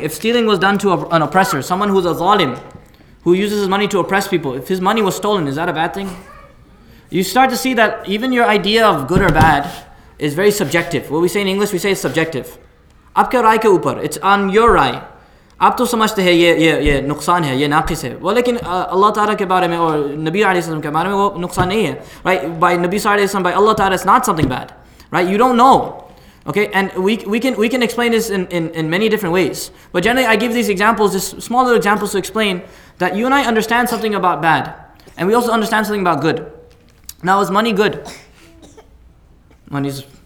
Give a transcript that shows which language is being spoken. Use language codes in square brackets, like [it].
[en] If stealing was done to an oppressor, someone who's a zalim, who uses his money to oppress people, if his money was stolen, is that a bad thing? You start to see that even your idea of good or bad is very subjective. What we say in English, we say it's subjective. [ur] Aapke rai ke upar, [en] it's on your rai. [ur] آپ تو سمجھتے ہیں، یہ نقصان ہے، یہ ناقص ہے۔ و لیکن اللہ تعالیٰ کے بارے میں، اور نبی علیہ السلام کے بارے میں، وہ نقصان نہیں ہے۔ [en] Right? By Nabi alayhi sallam, by Allah Ta'ala, it's not something bad. Right? You don't know. Okay? And we can explain this in many different ways. But generally, I give these examples, just small little examples to explain that you and I understand something about bad. And we also understand something about good. Now, is money good? Money's...